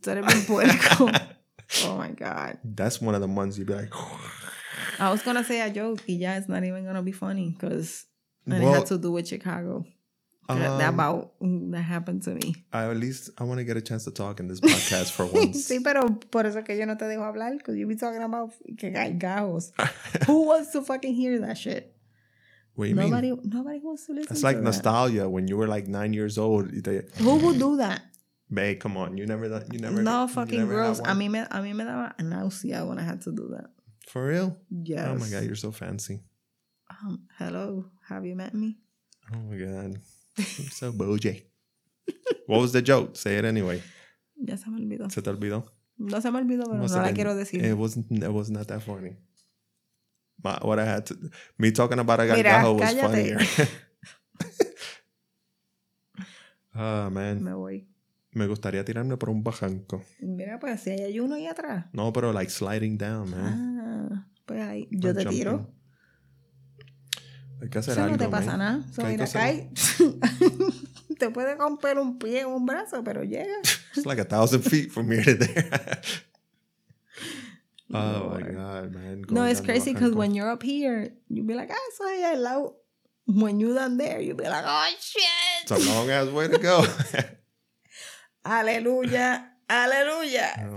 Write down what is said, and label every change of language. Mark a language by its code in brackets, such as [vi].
[en] Oh my God. That's one of the ones you'd be like. I was going to say a joke. Yeah, it's not even going to be funny because it had to do with Chicago. That happened to me. At least I want to get a chance to talk in this podcast for once. [es] Sí, pero por eso que yo no te dejo hablar [en] because you be talking about [es] que gargajos. [en] Who wants to fucking hear that shit? What do you mean? Nobody wants to listen to that. It's like nostalgia that. When you were like 9 years old. Who would do that? Babe, come on. You never. No, fucking gross. [es] A mí me daba nausea [en] when I had to do that. For real? Yes. Oh my God, you're so fancy. Hello. Have you met me? Oh my God. I'm so bougie. What was the joke? Say it anyway. [es] Ya se me olvidó. ¿Se te olvidó? No se me olvidó, pero no la quiero decir. [en] It was not that funny. What I had to... Me talking about a gargajo was funnier. Oh, man. [es] Me voy. Me gustaría tirarme por un bajanco. Mira, pues así hay uno ahí atrás. No, pero [en] like sliding down, man. [es] Pues ahí. Yo te tiro. Hay que hacer algo, no te pasa nada. [en] So, [es] mira, cae. Te puede romper un pie o un brazo, pero llega. [en] It's like 1,000 feet from here to there. Oh, no, my God, man. No, it's crazy because when you're up here, you be like, ah, [es] soy el lado. [en] When you're down there, you be like, oh, shit. It's a long-ass way to go. [es] Aleluya. Aleluya.